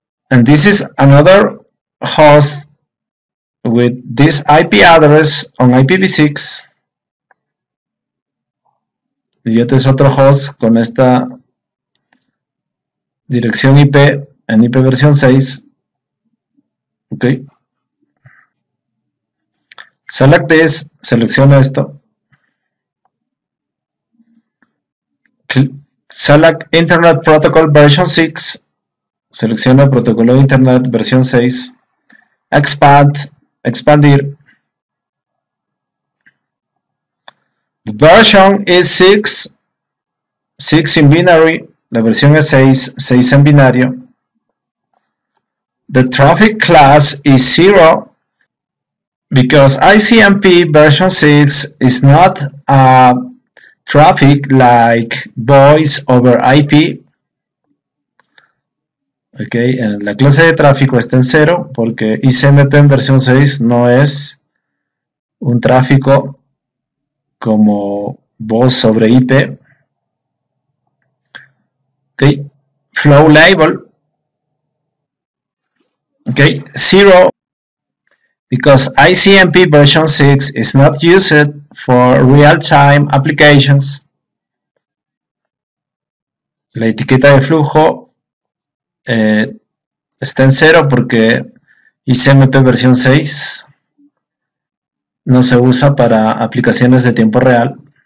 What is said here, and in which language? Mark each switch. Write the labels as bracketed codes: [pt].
[en] And this is another host with this IP address on IPv6. [es] Y este es otro host con esta dirección IP en IP versión 6. Ok. [en] Select this. [es] Selecciona esto. [en] Select Internet Protocol version 6. [es] Selecciona protocolo de Internet versión 6. [en] Expand. [es] Expandir. [en] The version is 6. 6 in binary. [es] La versión es 6, 6 en binario. [en] The traffic class is 0 because ICMP version 6 is not a traffic like voice over IP. [es] Ok, la clase de tráfico está en 0 porque ICMP en versión 6 no es un tráfico como voz sobre IP. [en] Okay. Flow label. Okay. 0 because ICMP version 6 is not used for real-time applications. [es] La etiqueta de flujo está en 0 porque ICMP version 6 no se usa para aplicaciones de tiempo real.